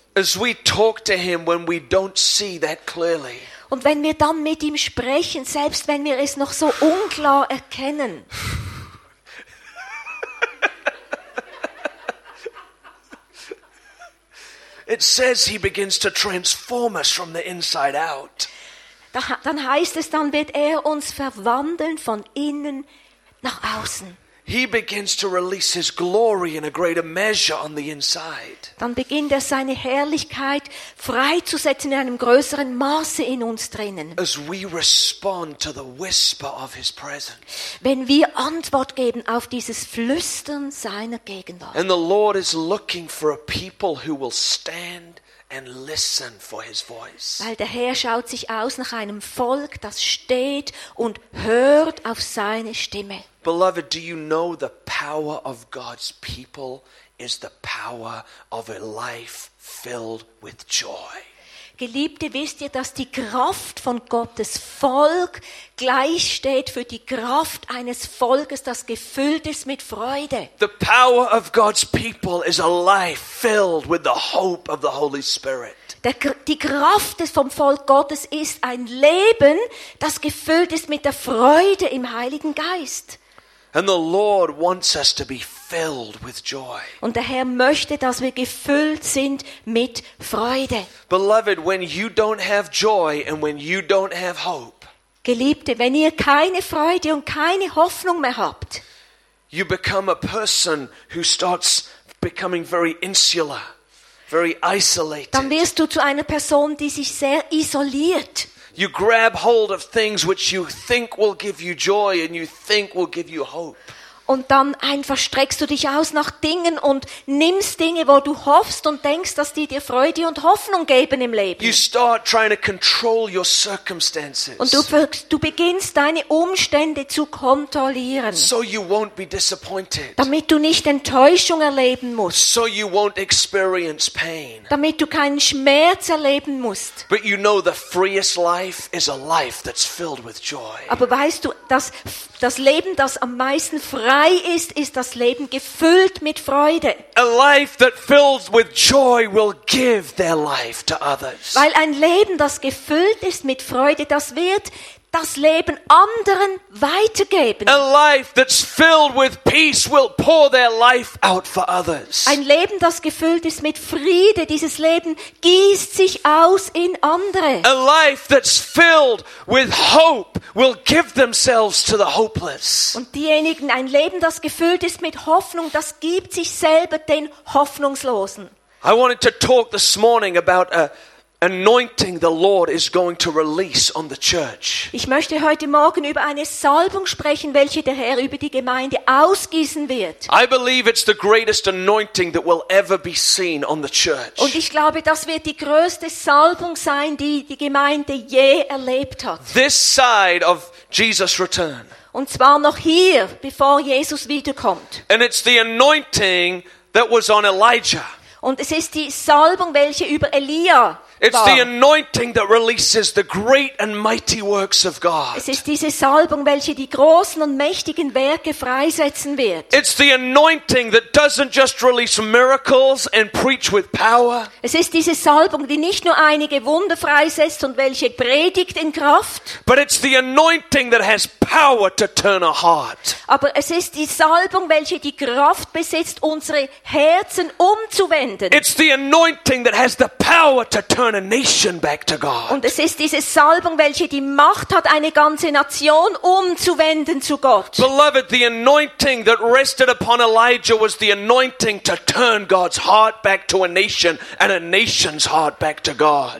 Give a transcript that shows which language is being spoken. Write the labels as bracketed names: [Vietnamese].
[English] As we talk to him when we don't see that clearly. [German] Und wenn wir dann mit ihm sprechen, selbst wenn wir es noch so unklar erkennen. [English] It says he begins to transform us from the inside out. [German] Dann heißt es, dann wird er uns verwandeln von innen nach außen. [English] He begins to release his glory in a greater measure on the inside. [German] Dann beginnt er seine Herrlichkeit freizusetzen in einem größeren Maße in uns drinnen. [English] As we respond to the whisper of his presence. [German] Wenn wir Antwort geben auf dieses Flüstern seiner Gegenwart. [English] And the Lord is looking for a people who will stand and listen for his voice. [German] Weil der Herr schaut sich aus nach einem Volk, das steht und hört auf seine Stimme. [English] Beloved, do you know the power of God's people is the power of a life filled with joy? [German] Geliebte, wisst ihr, dass die Kraft von Gottes Volk gleichsteht für die Kraft eines Volkes, das gefüllt ist mit Freude? [English] The power of God's people is a life filled with the hope of the Holy Spirit. [German] Die Kraft vom Volk Gottes ist ein Leben, das gefüllt ist mit der Freude im Heiligen Geist. [English] And the Lord wants us to be filled with joy. [German] Und der Herr möchte, dass wir gefüllt sind mit Freude. [English] Beloved, when you don't have joy and when you don't have hope. [German] Geliebte, wenn ihr keine Freude und keine Hoffnung mehr habt. [English] You become a person who starts becoming very insular, very isolated. [German] Dann wirst du zu einer Person, die sich sehr isoliert. [English] You grab hold of things which you think will give you joy and you think will give you hope. [German] Und dann einfach streckst du dich aus nach Dingen und nimmst Dinge, wo du hoffst und denkst, dass die dir Freude und Hoffnung geben im Leben. [English] You start trying to control your circumstances. [German] Und du beginnst deine Umstände zu kontrollieren. [English] So you won't be disappointed. [German] Damit du nicht Enttäuschung erleben musst. [English] So you won't experience pain. [German] Damit du keinen Schmerz erleben musst. [English] But you know the freest life is a life that's filled with joy. [German] Aber weißt du, das Leben, das am meisten frei ist, ist das Leben gefüllt mit Freude. [English] A life that fills with joy will give their life to others. [German] Weil ein Leben, das gefüllt ist mit Freude, das wird das Leben anderen weitergeben. [English] A life that's filled with peace will pour their life out for others. [German] Ein Leben, das gefüllt ist mit Friede, dieses Leben gießt sich aus in andere. [English] A life that's filled with hope will give themselves to the hopeless. [German] Und diejenigen, ein Leben, das gefüllt ist mit Hoffnung, das gibt sich selber den Hoffnungslosen. [English] I wanted to talk this morning about a anointing the Lord is going to release on the church. [German] Ich möchte heute Morgen über eine Salbung sprechen, welche der Herr über die Gemeinde ausgießen wird. [English] I believe it's the greatest anointing that will ever be seen on the church. [German] Und ich glaube, das wird die größte Salbung sein, die die Gemeinde je erlebt hat. [English] This side of Jesus' return. [German] Und zwar noch hier, bevor Jesus wiederkommt. [English] And it's the anointing that was on Elijah. [German] Und es ist die Salbung, welche über Elia [English] It's the anointing that releases the great and mighty works of God. [German] Es ist diese Salbung, welche die großen und mächtigen Werke freisetzen wird. [English] It's the anointing that doesn't just release miracles and preach with power. [German] Es ist diese Salbung, die nicht nur einige Wunder freisetzt und welche predigt in Kraft. [English] But it's the anointing that has power to turn a heart. [German] Aber es ist die Salbung, welche die Kraft besitzt, unsere Herzen umzuwenden. [English] It's the anointing that has the power to turn a nation back to God. [German] Und es ist diese Salbung, welche die Macht hat, eine ganze Nation umzuwenden zu Gott. [English] Beloved, the anointing that rested upon Elijah was the anointing to turn God's heart back to a nation and a nation's heart back to God.